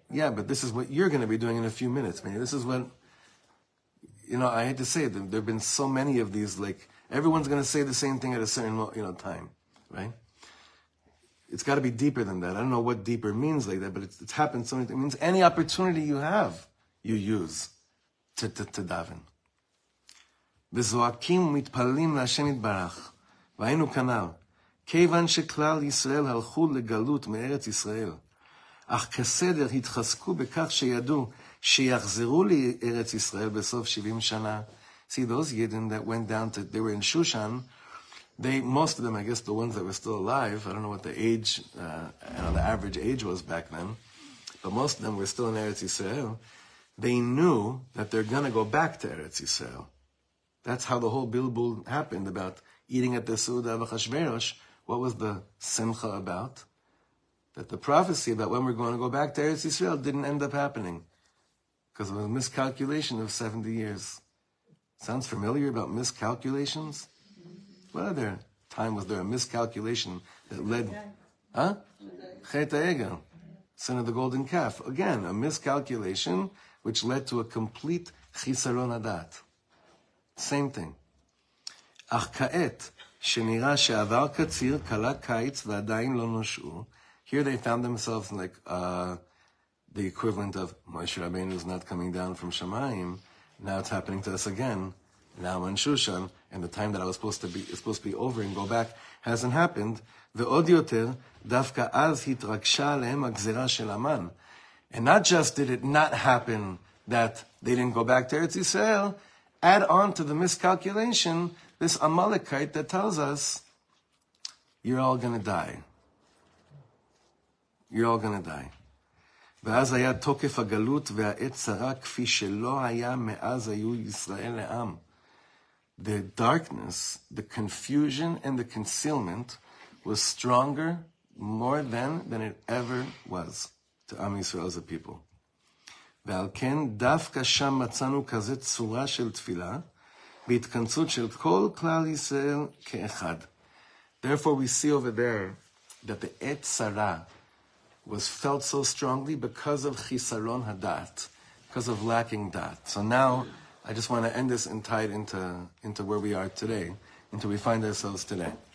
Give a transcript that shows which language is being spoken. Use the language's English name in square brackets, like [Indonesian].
[English] Yeah, but this is what you're going to be doing in a few minutes, man. This is what, you know, I hate to say it. There have been so many of these, like, everyone's going to say the same thing at a certain, you know, time, right? It's got to be deeper than that. I don't know what deeper means like that, but it's happened so many times. It means any opportunity you have, you use to daven. [Hebrew] וזועקים ומתפללים להשם יתברך, והיינו כנל, כיוון שכלל ישראל הלכו לגלות מארץ ישראל, אך כסדר התחזקו בכך שידעו שיחזרו לארץ ישראל בסוף 70 שנה. [English] See, those Yidden that went down to, they were in Shushan, they, most of them, I guess the ones that were still alive, I don't know what the age, the average age was back then, but most of them were still in Eretz Yisrael, they knew that they're going to go back to Eretz Yisrael. That's how the whole bilbul happened about eating at the Suda of HaChashverosh. What was the simcha about? That the prophecy about when we're going to go back to Eretz Yisrael didn't end up happening because of a miscalculation of 70 years. Sounds familiar about miscalculations? What other time was there a miscalculation that led... Huh? Chet HaEgel, son of the golden calf. Again, a miscalculation which led to a complete chisaron adat. Same thing. [Hebrew] אך כעת, שנראה שעבר קציר, קלה קיץ ועדיין לא נושאו. [English] Here they found themselves like the equivalent of Moshe Rabbeinu is not coming down from Shamayim. Now it's happening to us again. Now I'm in Shushan, and the time that I was supposed to be over and go back hasn't happened. [Hebrew] ועוד יותר, דווקא אז התרגשה עליהם הגזירה של המן. [English] And not just did it not happen that they didn't go back to Eretz Yisrael, add on to the miscalculation, this Amalekite that tells us, you're all going to die. You're all going to die. [Hebrew] ואז היה תוקף הגלות והעת צרה כפי שלא היה מאז היו ישראל לעם. [English] The darkness, the confusion and the concealment was stronger more than it ever was to Am Yisrael as a people. [Hebrew] ועל כן דווקא שם מצאנו כזה צורה של תפילה בהתכנסות של כל כלל ישראל כאחד. [English] Therefore we see over there that the et sara was felt so strongly because of chisaron hadat, because of lacking dat. So now I just want to end this and tie it into where we are today, until we find ourselves today.